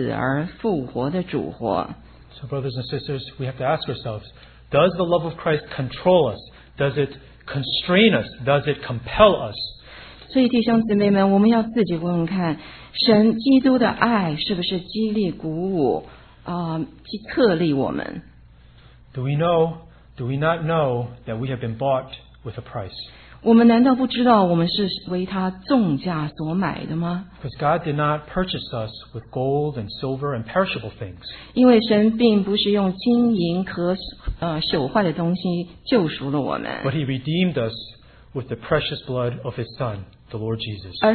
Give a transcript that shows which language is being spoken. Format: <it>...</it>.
<zh>哥林多后书第五章十四节，保罗写的非常的美丽。这里，原来基督的爱激励我们，因我们想一人既替众人死，众人就都死了，并且他替众人死，是叫那些活着的人不再为自己活，乃为替他们死而复活的主活。</zh> <en>So, brothers and sisters, we have to ask ourselves: does the love of Christ control us? Does it constrain us? Does it compel us?</en> <zh>所以弟兄姊妹们，我们要自己问问看，神基督的爱是不是激励鼓舞，激励我们？</zh> <en>Do we not know that we have been bought with a price?</en> <zh>我们难道不知道我们是为他重价所买的吗？</zh> <en>Because God did not purchase us with gold and silver and perishable things.</en> <zh>因为神并不是用金银和朽坏的东西救赎了我们。</zh> <en>But he redeemed us with the precious blood of his Son, the Lord Jesus.</en>